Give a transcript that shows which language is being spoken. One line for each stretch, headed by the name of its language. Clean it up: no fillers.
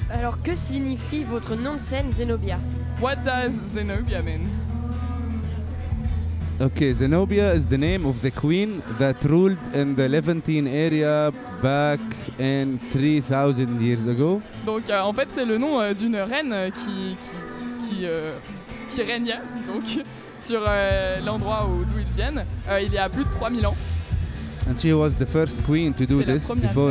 French: Alors, que signifie votre nom de scène, Zenobia?
English: What does Zenobia mean? Okay, Zenobia is the name of the queen that ruled in the Levantine area back in 3000 years ago.
French: Donc en fait c'est le nom d'une reine qui régnait donc sur l'endroit où d'où ils viennent il y a plus de 3000 ans.
English: And she was the first queen to do this before